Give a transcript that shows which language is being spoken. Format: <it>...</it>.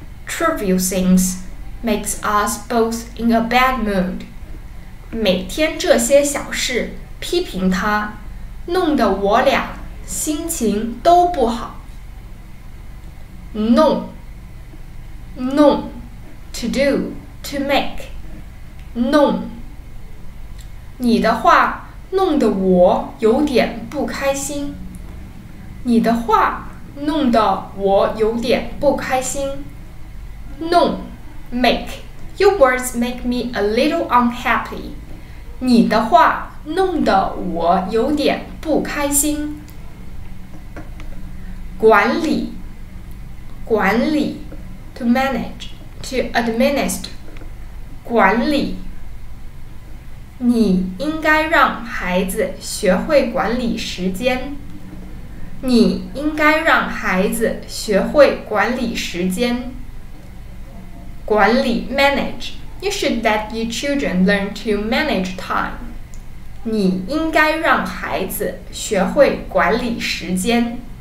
<en>Trivial things makes us both in a bad mood.</en> <zh>每天这些小事批评他，弄得我俩心情都不好。</zh> <en>弄 to do, to make.</en> <zh>弄，你的话弄得我有点不开心。你的话弄得我有点不开心。</zh> <en>弄 make your words make me a little unhappy</en> <zh>你的话弄得我有点不开心。管理 to manage to administer 管理你应该让孩子学会管理时间你应该让孩子学会管理时间管理 manage</zh> <en>You should let your children learn to manage time</en> <zh>你应该让孩子学会管理时间</zh>